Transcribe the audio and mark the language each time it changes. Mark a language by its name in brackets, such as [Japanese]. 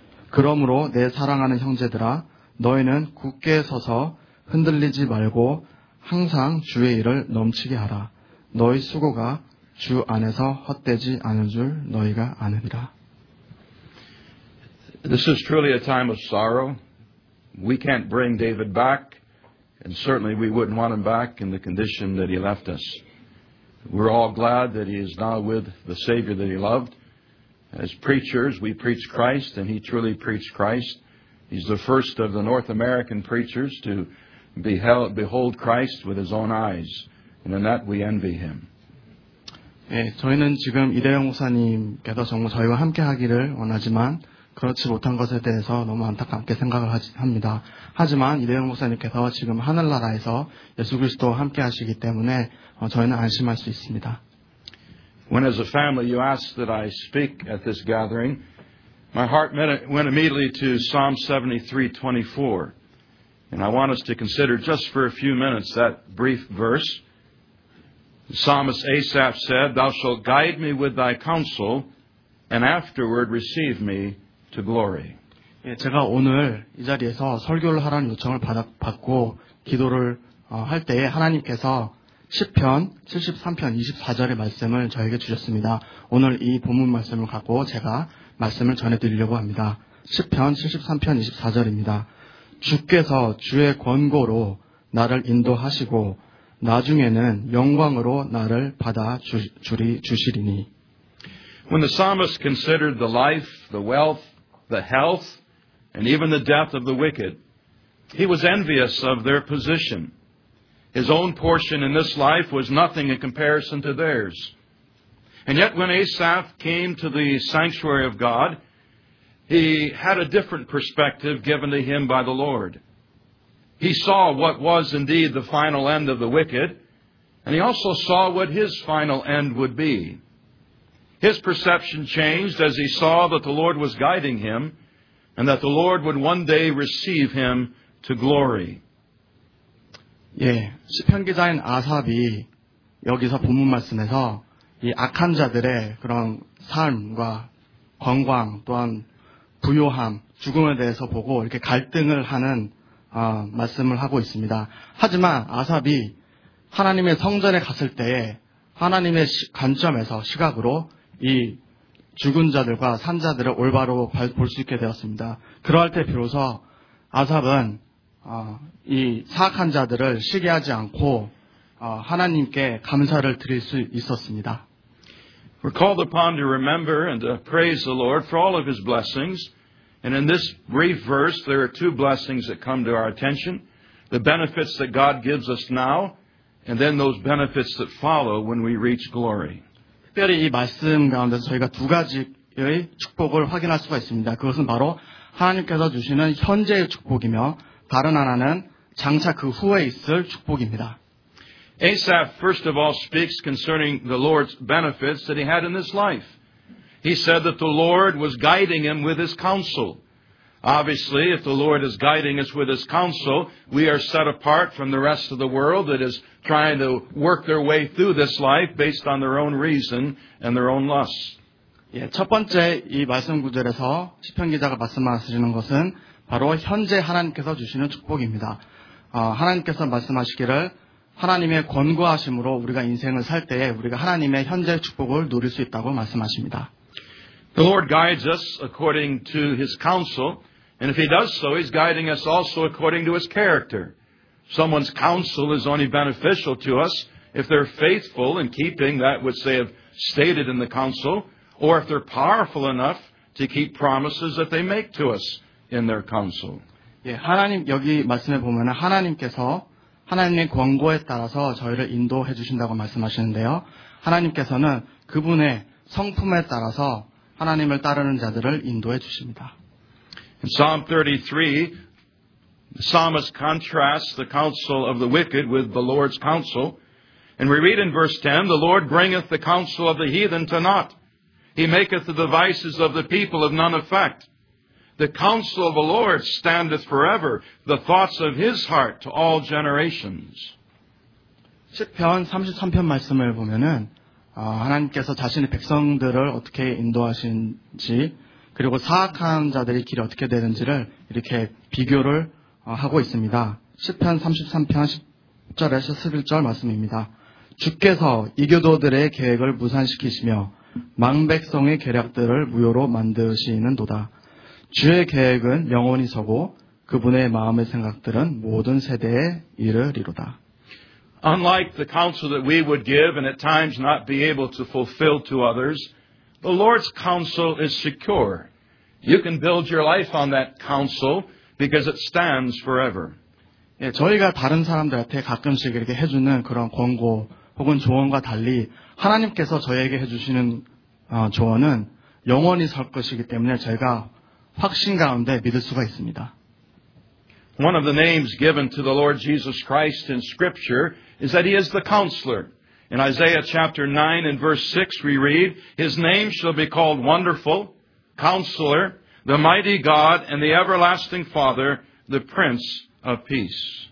[Korean] 그러므로 내 사랑하는 형제들아, 너희는 굳게 서서 흔들리지 말고 항상 주의 일을 넘치게 하라. 너희 수고가 주 안에서 헛되지 않을 줄 너희가 아느니라. [English] This is truly a time of sorrow. We can't bring David back, and certainly we wouldn't want him back in the condition that he left us. We're all glad that he is now with the Savior that he loved. As preachers, we preach Christ, and he truly preached Christ. He's the first of the North American preachers to behold Christ with his own eyes. And in that, we envy him. [Korean] 예, 저희는 지금 이대영 목사님께서 정말 저희와 함께 하기를 원하지만 그렇지 못한 것에 대해서 너무 안타깝게 생각을 합니다. 하지만 이대영 목사님께서 지금 하늘나라에서 예수 그리스도와 함께 하시기 때문에 저희는 안심할 수 있습니다. [English] When as a family you asked that I speak at this gathering, my heart went immediately to Psalm 73:24. And I want us to consider just for a few minutes that brief verse. The psalmist Asaph said, Thou shalt guide me with thy counsel, and afterward receive me to glory. [Korean] 제가 오늘 이 자리에서 설교를 하라는 요청을 받고 기도를 할 때에 하나님께서 시편 73편 24절의 말씀을 저에게 주셨습니다. 오늘 이 본문 말씀을 갖고 제가 말씀을 전해드리려고 합니다. 시편 73편 24절입니다. 주께서 주의 권고로 나를 인도하시고 나중에는 영광으로 나를 받아 주시리니. [English] When the psalmist considered the life, the wealth, the health, and even the death of the wicked, he was envious of their position. His own portion in this life was nothing in comparison to theirs. And yet when Asaph came to the sanctuary of God, he had a different perspective given to him by the Lord. He saw what was indeed the final end of the wicked, and he also saw what his final end would be. His perception changed as he saw that the Lord was guiding him, and that the Lord would one day receive him to glory. [Korean] 예, 시편 기자인 아삽이 여기서 본문 말씀에서 이 악한 자들의 그런 삶과 건강 또한 부요함, 죽음에 대해서 보고 이렇게 갈등을 하는 말씀을 하고 있습니다. 하지만 아삽이 하나님의 성전에 갔을 때에 하나님의 관점에서 시각으로 이 죽은 자들과 산 자들을 올바로 볼 수 있게 되었습니다. 그러할 때 비로소 아삽은 이 사악한 자들을 시기하지 않고 하나님께 감사를 드릴 수 있었습니다. [English] We're called upon to remember and to praise the Lord for all of his blessings. And in this brief verse, there are two blessings that come to our attention. The benefits that God gives us now, and then those benefits that follow when we reach glory. [Korean] 특별히 이 말씀 가운데 저희가 두 가지의 축복을 확인할 수가 있습니다. 그것은 바로 하나님께서 주시는 현재의 축복이며 다른 하나는 장차 그 후에 있을 축복입니다. [English] Asaph first of all speaks concerning the Lord's benefits that he had in this life. He said that the Lord was guiding him with his counsel. Obviously, if the Lord is guiding us with his counsel, we are set apart from the rest of the world that is trying to work their way through this life based on their own reason and their own lusts. [Korean] 예, 첫 번째 이 말씀 구절에서 시편 기자가 말씀하시는 것은 바로 현재 하나님께서 주시는 축복입니다. 하나님께서 말씀하시기를 하나님의 권고하심으로 우리가 인생을 살 때에 우리가 하나님의 현재 축복을 누릴 수 있다고 말씀하십니다. [English] The Lord guides us according to his counsel, and if he does so, he's guiding us also according to his character. Someone's counsel is only beneficial to us if they're faithful in keeping that which they have stated in the counsel, or if they're powerful enough to keep promises that they make to us in their counsel. [Korean] 예, 하나님 여기 말씀해 보면 하나님께서 하나님의 권고에 따라서 저희를 인도해 주신다고 말씀하시는데요. 하나님께서는 그분의 성품에 따라서 하나님을 따르는 자들을 인도해 주십니다. [English] In Psalm 33, the psalmist contrasts the counsel of the wicked with the Lord's counsel. And we read in verse 10, The Lord bringeth the counsel of the heathen to naught. He maketh the devices of the people of none effect. The counsel of the Lord standeth forever, the thoughts of his heart to all generations. [Korean] 시편 33편 말씀을 보면은 하나님께서 자신의 백성들을 어떻게 인도하신지 그리고 사악한 자들의 길이 어떻게 되는지를 이렇게 비교를 하고 있습니다. 시편 33편 10절에서 11절 말씀입니다. 주께서 이교도들의 계획을 무산시키시며 망백성의 계략들을 무효로 만드시는도다. 주의 계획은 영원히 서고 그분의 마음의 생각들은 모든 세대에 이르리로다. [English] Unlike the counsel that we would give and at times not be able to fulfill to others, the Lord's counsel is secure. You can build your life on that counsel because it stands forever. [Korean] 예, 저희가 다른 사람들한테 가끔씩 이렇게 해주는 그런 권고 혹은 조언과 달리 하나님께서 저희에게 해주시는 조언은 영원히 설 것이기 때문에 저희가 확신 가운데 믿을 수가 있습니다. [English] One of the names given to the Lord Jesus Christ in Scripture is that He is the Counselor. In Isaiah chapter 9 and verse 6 we read, His name shall be called Wonderful, Counselor, the Mighty God, and the Everlasting Father, the Prince of Peace.